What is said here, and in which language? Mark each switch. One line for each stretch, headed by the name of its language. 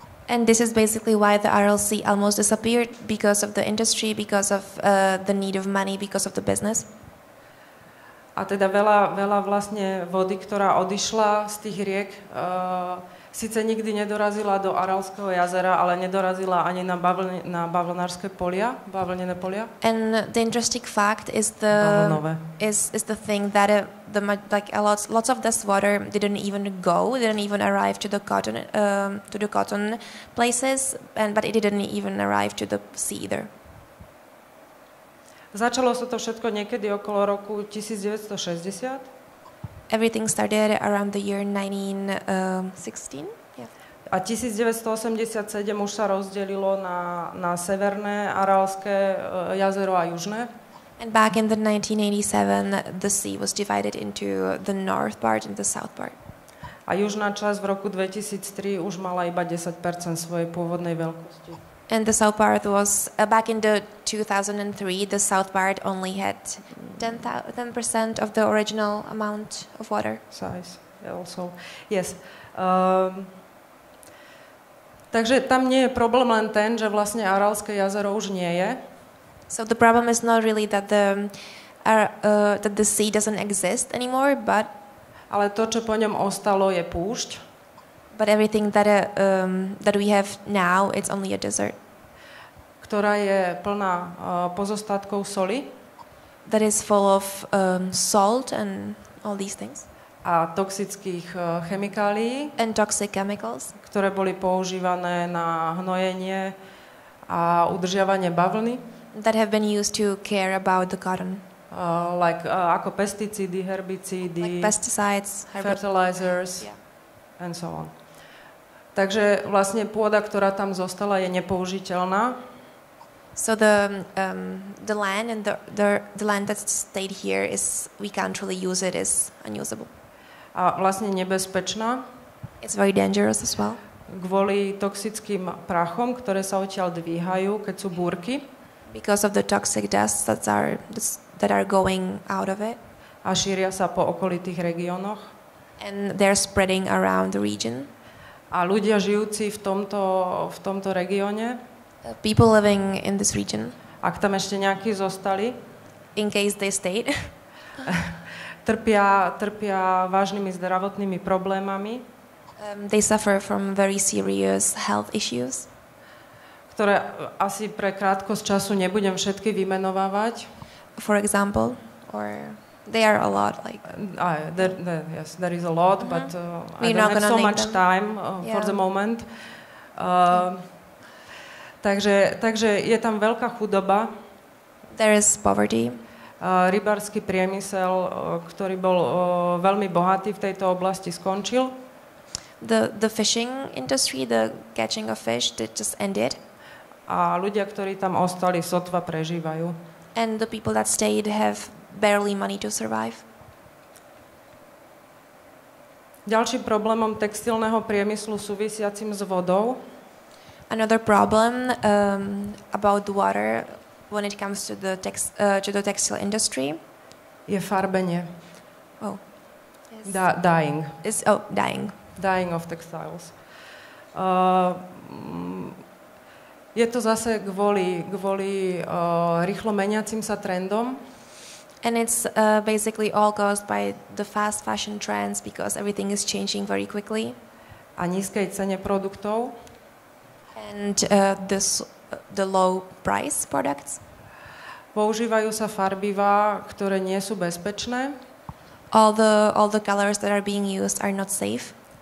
English: And this is basically why the Aral Sea almost disappeared, because of the industry, because of the need of money, because of the business.
Slovak: A teda veľa vlastne vody, ktorá odišla z tých riek, síce nikdy nedorazila do Aralského jazera, ale nedorazila ani na bavlnárske polia, bavlnené polia.
English: And the interesting fact is the thing that lots of this water didn't even arrive to the cotton places, but it didn't even arrive to the sea either.
Slovak: Začalo sa to všetko niekedy okolo roku 1960.
English: everything started around the year 1916.
Slovak: A 1987 už sa rozdelilo na severné Aralské jazero a južné.
English: And back in the 1987 the sea was divided into the north part and the south part.
Slovak: A južná časť v roku 2003 už mala iba 10% svojej pôvodnej veľkosti.
English: And the south part was back in the 2003 the south part only had 10% of the original amount of water size also. Yes.
Slovak: Takže tam nie je problém len ten, že vlastne Aralské jazero už nie je.
English: So the problem is not really that the sea doesn't exist anymore, but
Slovak: ale to, čo po ňom ostalo, je púšť.
English: But everything that that we have now, it's only a desert.
Slovak: Ktorá je plná pozostatkov soli.
English: That is full of salt and all these things.
Slovak: A toxických chemikálií.
English: And toxic chemicals.
Slovak: Ktoré boli používané na hnojenie a udržiavanie bavlny.
English: That have been used to care about the cotton.
Slovak: Ako pesticídy, herbicídy.
English: Like pesticides, fertilizers, yeah. And so on.
Slovak: Takže vlastne pôda, ktorá tam zostala, je nepoužiteľná.
English: So the land and the land that stayed here is we can't really use it, is unusable.
Slovak: A vlastne nebezpečná.
English: It's very dangerous as well.
Slovak: Kvôli toxickým prachom, ktoré sa odtiaľ dvíhajú, keď sú búrky.
English: Because of the toxic dust that are going out of it.
Slovak: A šíria sa po okolitých regiónoch.
English: And they're spreading around the region.
Slovak: A ľudia žijúci v tomto regióne.
English: People living in this region.
Slovak: Ak tam ešte nejakí zostali.
English: In case they stayed.
Slovak: trpia vážnymi zdravotnými problémami.
English: They suffer from very serious health issues.
Slovak: Ktoré asi pre krátkosť času nebudem všetky vymenovávať.
English: For example, or there are a lot, like. Yes, there is a lot, mm-hmm. But I don't have so much time yeah. For the moment.
Slovak: Takže je tam veľká chudoba.
English: There is poverty.
Slovak: Rybársky priemysel, ktorý bol veľmi bohatý v tejto oblasti, skončil.
English: The fishing industry, the catching of fish, that just ended.
Slovak: A ľudia, ktorí tam ostali, sotva prežívajú.
English: And the people that stayed have barely money to survive.
Slovak: Ďalším problémom textilného priemyslu súvisiacim s vodou.
English: Another problem about water when it comes to the textile industry.
Slovak: Je farbenie.
English: Oh. Yes. Dying. It's dying. Dying of textiles.
Slovak: Je to zase kvôli rýchlo meniacim sa trendom.
English: And it's basically all caused by the fast fashion trends because everything is changing very quickly.
Slovak: A nízkej cene produktov.
English: And the low price products.
Slovak: Používajú sa farbivá, ktoré nie sú bezpečné.
English: All the colors that are being used are not safe.